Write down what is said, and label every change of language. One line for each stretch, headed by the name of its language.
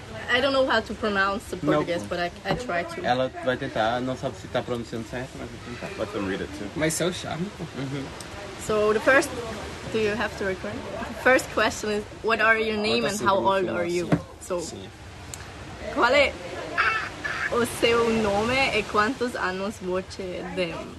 English: I don't know how to pronounce the Portuguese, but I try to.
Portuguese: Ela vai tentar, não sabe se tá pronunciando certo, mas vai tentar.
English: Let them read it too. My so charming. So the first, do you have to record? The first question is, what are your name and how old are you?
Portuguese: So, qual é o seu nome e quantos anos você tem?